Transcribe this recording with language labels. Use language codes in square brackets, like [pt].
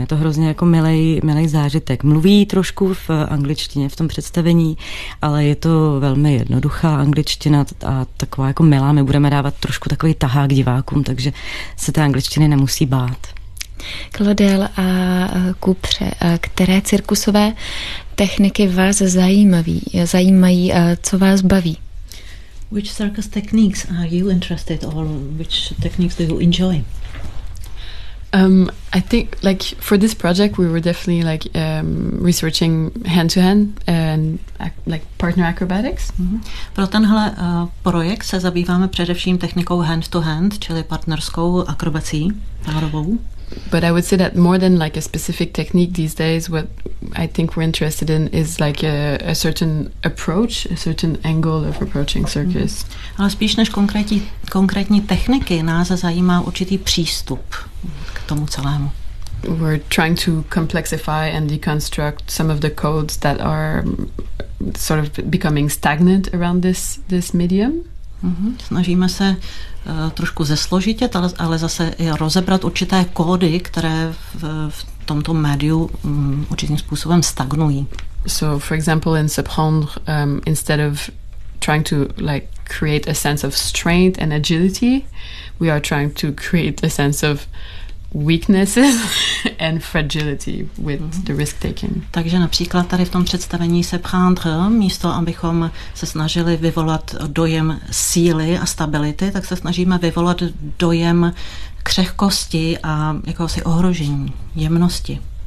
[cs] Je to hrozně jako milej zážitek. Mluví trošku v angličtině v tom představení, ale je to velmi jednoduchá angličtina a taková jako milá. My budeme dávat trošku takový tahák divákům, takže se té angličtiny nemusí bát. Klodel a Kupře, které cirkusové techniky vás zajímají, co vás baví? [en] Which circus techniques are you interested or which techniques do you enjoy? I think like for this project we were definitely like researching hand to hand and like partner acrobatics. Mm-hmm. [cs] Pro tenhle projekt se zabýváme především technikou hand to hand, čili partnerskou akrobací párovou. [en] But I would say that more than like a specific technique these days, what I think we're interested in is like a certain approach, a certain angle of approaching circus. Mm-hmm. [cs] Ale spíš než konkrétní techniky, nás zajímá určitý přístup k tomu celému. [en] We're trying to complexify and deconstruct some of the codes that are sort of becoming stagnant around this medium. Mm-hmm. [cs] Snažíme se trošku zesložitě, ale zase i rozebrat určité kódy, které v tomto médiu určitým způsobem stagnují. [en] So for example in Subhondre, instead of trying to like create a sense of strength and agility, we are trying to create a sense of weaknesses and fragility with the risk taking. [cs] Takže například tady v tom představení se prendre, místo abychom se snažili vyvolat dojem síly a stability, tak se snažíme vyvolat dojem křehkosti a jakéhosi ohrožení, jemnosti.